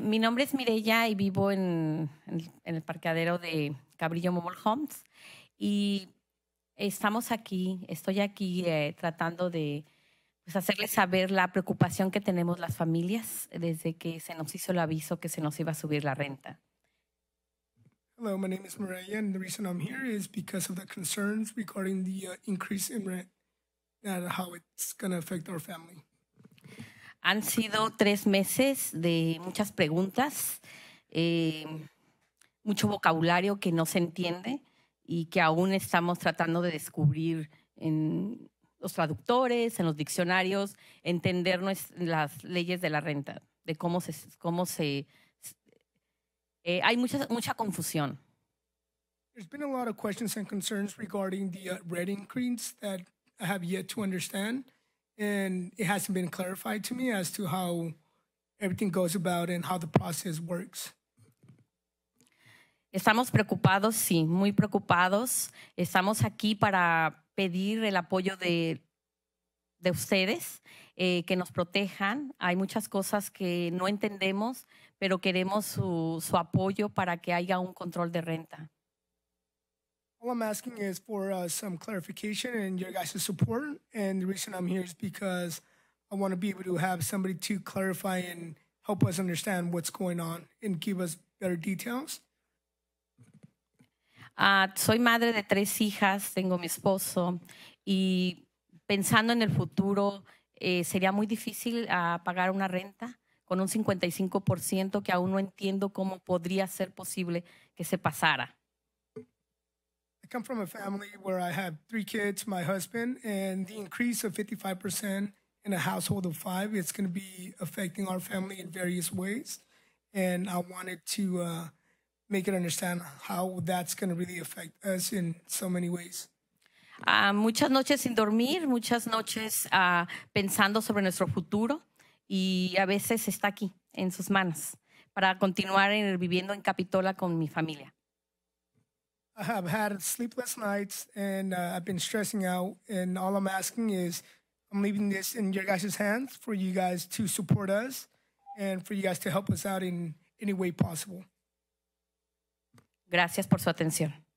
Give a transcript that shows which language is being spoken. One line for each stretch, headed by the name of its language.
Spanish: Mi nombre es Mireya y vivo en el parqueadero de Cabrillo Mobile Homes. Y estamos aquí, estoy aquí tratando de pues, hacerles saber la preocupación que tenemos las familias desde que se nos hizo el aviso que se nos iba a subir la renta.
English: Hello, my name is Mireya, and the reason I'm here is because of the concerns regarding the increase in rent and how it's going to affect our family.
Spanish: Han sido 3 meses de muchas preguntas, mucho vocabulario que no se entiende y que aún estamos tratando de descubrir en los traductores, en los diccionarios, entender las leyes de la renta, de cómo se... hay mucha confusión.
English: There's been a lot of questions and concerns regarding the rent increase that I have yet to understand, and it hasn't been clarified to me as to how everything goes about and how the process works.
Spanish: Estamos preocupados, sí, muy preocupados. Estamos aquí para pedir el apoyo de ustedes, que nos protejan. Hay muchas cosas que no entendemos, pero queremos su apoyo para que haya un control de renta.
English: All I'm asking is for some clarification and your guys' support. And the reason I'm here is because I want to be able to have somebody to clarify and help us understand what's going on and give us better details.
Spanish: Soy madre de 3 hijas, tengo mi esposo, y pensando en el futuro, sería muy difícil pagar una renta con un 55% que aún no entiendo cómo podría ser posible que se pasara.
English: I come from a family where I have 3 kids, my husband, and the increase of 55% in a household of 5, it's going to be affecting our family in various ways. And I wanted to make it understand how that's going to really affect us in so many ways.
Spanish: Muchas noches sin dormir, muchas noches pensando sobre nuestro futuro y a veces está aquí en sus manos para continuar viviendo en Capitola con mi familia.
English: I've had sleepless nights and I've been stressing out and all I'm asking is I'm leaving this in your guys' hands for you guys to support us and for you guys to help us out in any way possible.
Spanish: Gracias por su atención.